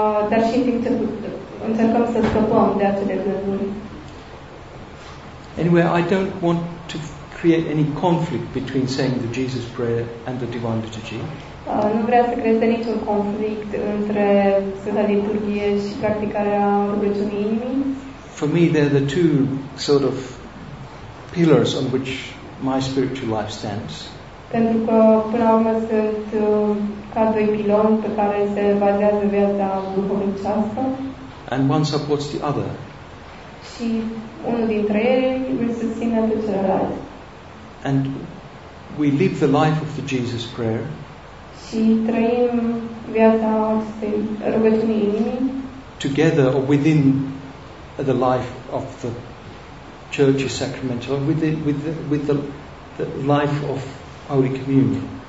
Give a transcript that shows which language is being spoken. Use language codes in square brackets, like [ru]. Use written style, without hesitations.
[ro] Dar și în timp ce încercăm să scăpăm de acele gânduri. [en] Anyway, I don't want to create any conflict between saying the Jesus prayer and the Divine Liturgy. [ro] Nu vrea să creeze niciun conflict între Sfânta Liturghie și practicarea rugăciunii inimii. [en] For me, they're the two sort of pillars on which my spiritual life stands. [ro] Pentru că, până la urmă, sunt ca doi piloni pe care se bazează viața duhovnicească. [en] And one supports the other. [ro] Și unul dintre ei îl susține pe celălalt. [en] And we live the life of the Jesus prayer. [ro] Și trăim viața acestei rugăciuni inimii. [en] Together or within the life of the Church's sacramental, with the life of Holy Communion.